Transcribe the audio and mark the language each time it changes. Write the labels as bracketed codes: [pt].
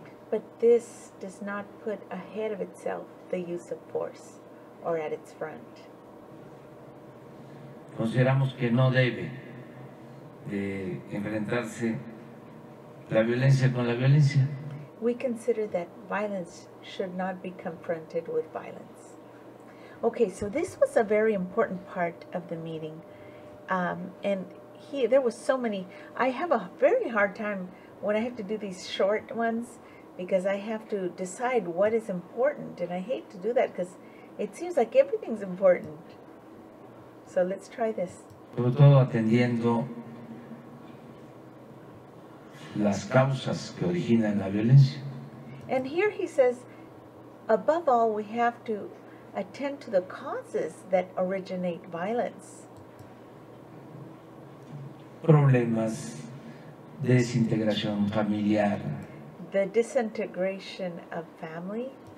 [en] But this does not put ahead of itself the use of force or at its front. [es] Consideramos que no debe de enfrentarse la violencia con la violencia. [en] We consider that violence should not be confronted with violence. Okay, so this was a very important part of the meeting. There was so many. I have a very hard time when I have to do these short ones because I have to decide what is important. And I hate to do that because it seems like everything's important. So let's try this. [es] Sobre todo atendiendo las causas que originan la violencia. [en] And here he says, above all, we have to attend to the causes that originate violence. [es] Problemas de desintegración familiar. [en] The disintegration of family.